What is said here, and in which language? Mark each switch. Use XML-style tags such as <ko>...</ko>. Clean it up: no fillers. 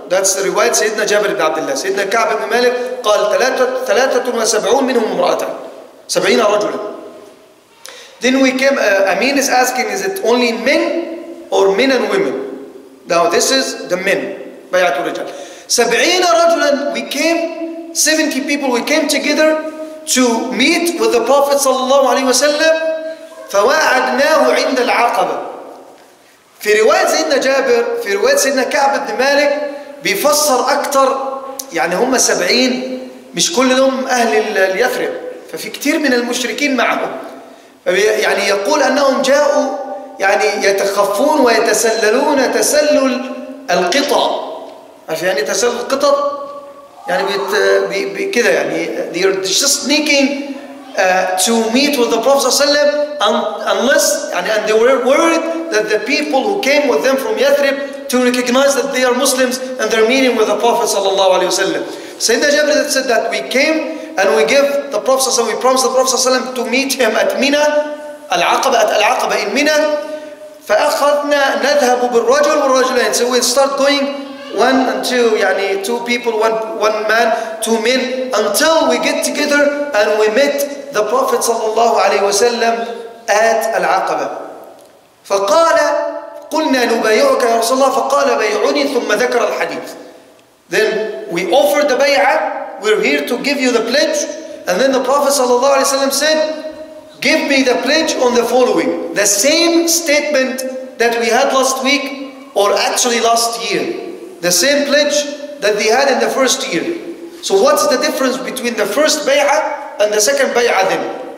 <en>That's the riwayat</en> <ar>سيدنا جابر بن عبد الله. سيدنا كعب بن مالك قال 73 منهم امرأة. 70 رجلا.</ar> <en>Then we came. Amin is asking, is it only men or men and women? Now this is the men.</en> <ar>بيعة الرجال. 70 رجلا.</ar> <en>We came 70 people. We came together to meet with the Prophet صلى الله عليه وسلم.</en> <ar>فواعدناه عند العقبة. في رواية سيدنا جابر, في رواية سيدنا كعب بن مالك بيفسر أكتر, يعني هم 70 مش كلهم أهل اليثرب, ففي كتير من المشركين معهم, يعني يقول أنهم جاءوا يعني يتخفون ويتسللون تسلل القطع, يعني تسلل القطع يعني بكده يعني</ar> <en>they're just sneaking to meet with the Prophet صلى unless يعني and they were worried that the people who came with them from Yathrib to recognize that they are Muslims and they're meeting with the Prophet صلى الله عليه وسلم. Sayyidina Jabir said that we came and we give the Prophet صلى الله عليه وسلم, we promised the Prophet صلى to meet him at Mina, العقبة in Mina.</en> <ar>فأخذنا نذهب بالرجل والرجلين.</ar> <en>So we start going one and two, يعني two people, one man, two men, until we get together and we met the Prophet صلى الله عليه وسلم at العقبة.</en> <ar>فقال قلنا نبايعك يا رسول الله. فقال بايعني ثم ذكر الحديث.</ar> <en>Then we offered the bay'ah, we're here to give you the pledge, and then the Prophet صلى الله عليه وسلم said, give me the pledge on the following, the same statement that we had last week, or actually last year. The same pledge that they had in the first year. So what's the difference between the first bay'ah and the second bay'ah then?</en>